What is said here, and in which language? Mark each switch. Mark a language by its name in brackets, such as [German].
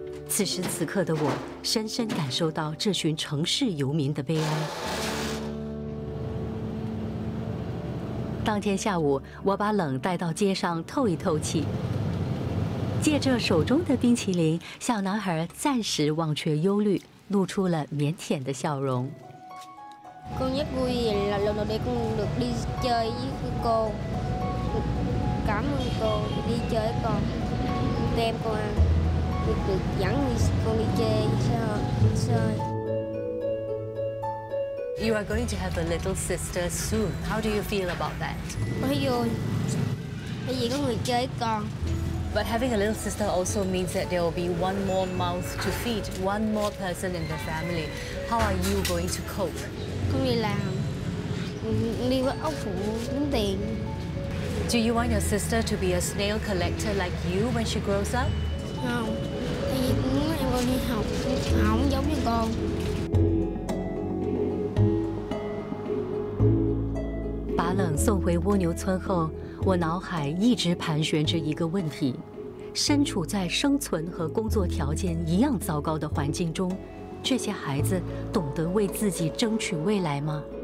[Chinese] 此时此刻的我，深深感受到这群城市游民的悲哀。当天下午，我把冷带到街上透一透气。借着手中的冰淇淋，小男孩暂时忘却忧虑，露出了腼腆的笑容。 [Vietnamese] con rất vui là lần đầu tiên con được đi chơi với cô, cảm ơn cô đi chơi với con, đem con ăn, được dẫn con đi chơi. [English] You are going to have a little sister soon. How do you feel about that? [Vietnamese] Vui, bởi vì có người chơi con. [English] But having a little sister also means that there will be one more mouth to feed, one more person in the family. How are you going to cope? [Vietnamese] Con đi làm, đi với ốc phụ kiếm tiền. [English] Do you want your sister to be a snail collector like you when she grows up? [Vietnamese] Không, thì muốn em con đi học, không giống như con. [Chinese] 送回蜗牛村后，我脑海一直盘旋着一个问题：身处在生存和工作条件一样糟糕的环境中，这些孩子懂得为自己争取未来吗？